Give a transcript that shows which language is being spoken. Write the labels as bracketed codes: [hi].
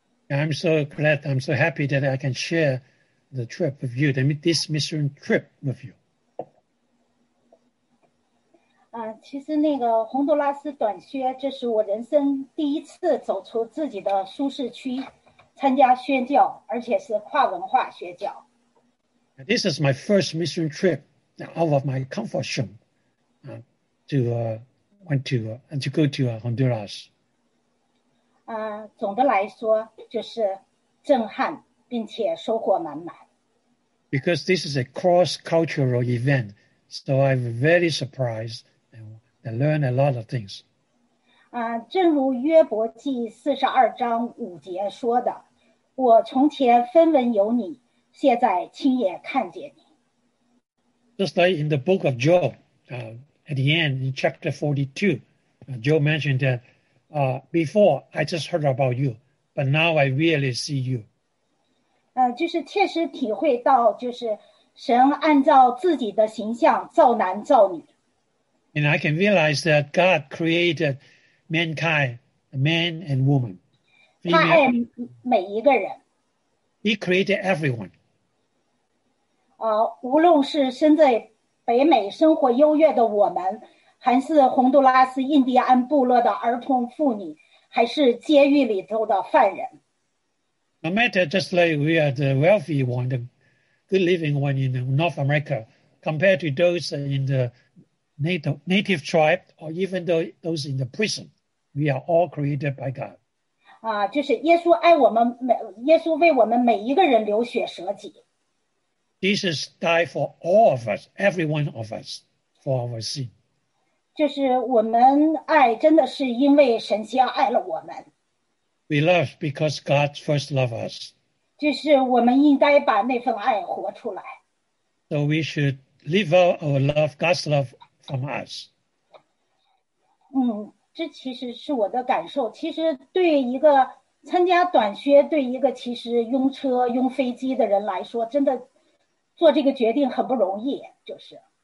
[en] I'm so glad, I'm so happy that I can share the trip with you, this mission trip with you. [zh] 其实那个洪都拉斯短靴，这是我人生第一次走出自己的舒适区，参加宣教，而且是跨文化宣教。 [en] This is my first mission trip out of my comfort zone, to go to Honduras. [zh] 总的来说就是震撼，并且收获满满。 [en] Because this is a cross-cultural event, so I'm very surprised and learn a lot of things. [zh] 正如约伯记42:5说的，我从前分闻有你，现在亲眼看见你。 [en] Just like in the book of Job, at the end, in chapter 42, Job mentioned that, before I just heard about you, but now I really see you. [zh] 就是切实体会到，就是神按照自己的形象造男造女。 [en] And I can realize that God created mankind, man and woman. [zh] 他爱每一个人。 [en] He created everyone. [zh] 无论是身在北美生活优越的我们，还是洪都拉斯印第安部落的儿童妇女，还是监狱里头的犯人。 [en] No matter just like we are the wealthy one, the good living one in North America, compared to those in the native tribe, or even those in the prison, we are all created by God. [zh] 就是耶稣爱我们，耶稣为我们每一个人流血舍己。 [en] Jesus died for all of us, every one of us, for our sin. [zh] 就是我们爱真的是因为神先爱了我们。 [en] We love because God first loved us. [zh] 就是我们应该把那份爱活出来。 [en] So we should live out our love, God's love from us. [zh] 这其实是我的感受。其实对一个参加短靴，对一个其实拥车、拥飞机的人来说，真的做这个决定很不容易，就是。